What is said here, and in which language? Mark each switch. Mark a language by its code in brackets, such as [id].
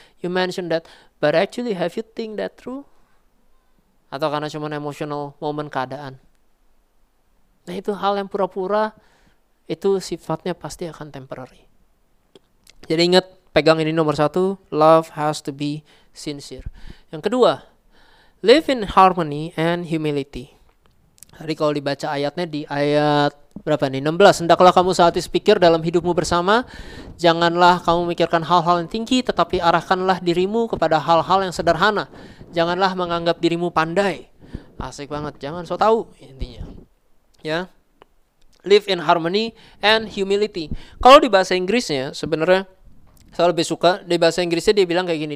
[en] You mention that, but actually have you think that through? [id] Atau karena cuma [en] emotional moment [id] keadaan? Nah itu hal yang pura-pura, itu sifatnya pasti akan temporary. Jadi ingat, pegang ini nomor satu, [en] love has to be sincere. [id] Yang kedua, [en] live in harmony and humility. [id] Jadi kalau dibaca ayatnya di ayat berapa nih? 16. Hendaklah kamu saat pikir dalam hidupmu bersama, janganlah kamu memikirkan hal-hal yang tinggi, tetapi arahkanlah dirimu kepada hal-hal yang sederhana. Janganlah menganggap dirimu pandai. Asik banget, jangan so tahu intinya. Ya. Yeah. [en] Live in harmony and humility. [id] Kalau di bahasa Inggrisnya, sebenarnya saya lebih suka di bahasa Inggrisnya dia bilang kayak gini.